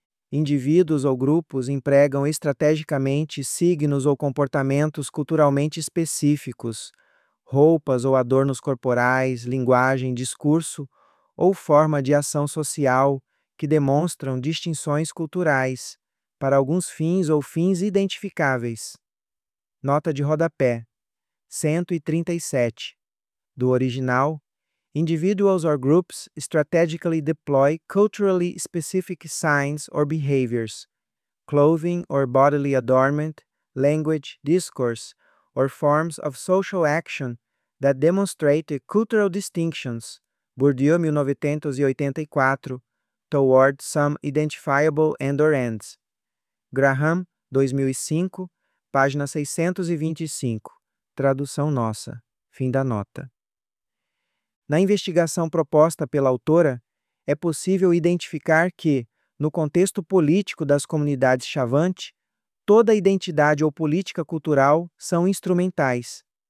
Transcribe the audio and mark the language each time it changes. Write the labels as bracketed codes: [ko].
[pt] Indivíduos ou grupos empregam estrategicamente signos ou comportamentos culturalmente específicos, roupas ou adornos corporais, linguagem, discurso ou forma de ação social que demonstram distinções culturais, para alguns fins ou fins identificáveis. Nota de rodapé, 137. Do original, [en] "Individuals or groups strategically deploy culturally specific signs or behaviors, clothing or bodily adornment, language, discourse, or forms of social action that demonstrate cultural distinctions," Bourdieu, 1984, "toward some identifiable end or ends." [pt] Graham, 2005, página 625, tradução nossa, fim da nota. Na investigação proposta pela autora, é possível identificar que, no contexto político das comunidades Chavante, toda identidade ou política cultural são instrumentais.